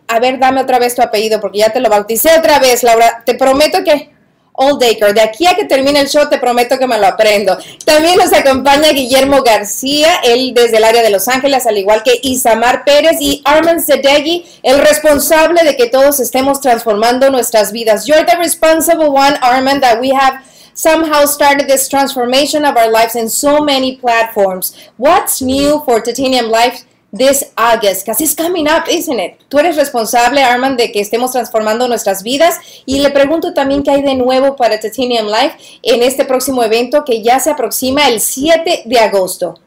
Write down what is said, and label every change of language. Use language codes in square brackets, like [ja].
[es] A ver, dame otra vez tu apellido porque ya te lo bauticé otra vez, Laura. Te prometo que Oldacre, de aquí a que termine el show, te prometo que me lo aprendo. También nos acompaña Guillermo García, él desde el área de Los Ángeles, al igual que Isamar Pérez y Armand Zedegui, el responsable de que todos estemos transformando nuestras vidas. [en] You're the responsible one, Armand, that we have somehow started this transformation of our lives in so many platforms. What's new for Titanium Life this August? Because it's coming up, isn't it? [es] Tú eres responsable, Armand, de que estemos transformando nuestras vidas. Y le pregunto también qué hay de nuevo para Titanium Life en este próximo evento que ya se aproxima el 7 de agosto.